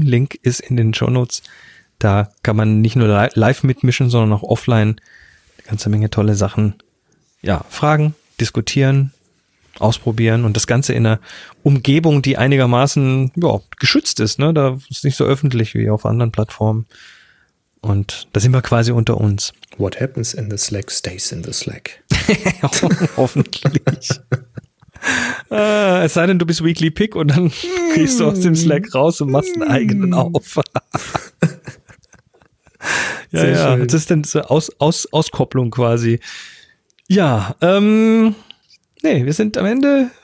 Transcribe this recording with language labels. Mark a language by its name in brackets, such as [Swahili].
[German] Link ist in den Shownotes. Da kann man nicht nur live mitmischen, sondern auch offline. Eine ganze Menge tolle Sachen. Ja, fragen, diskutieren, ausprobieren und das Ganze in einer Umgebung, die einigermaßen geschützt ist. Ne? Da ist nicht so öffentlich wie auf anderen Plattformen. Und da sind wir quasi unter uns. [English] What happens in the Slack stays in the Slack. [German] Hoffentlich. es sei denn, du bist Weekly Pick und dann gehst du aus dem Slack raus und machst einen eigenen auf. Sehr schön. Das ist dann so Auskopplung quasi. Ja, wir sind am Ende.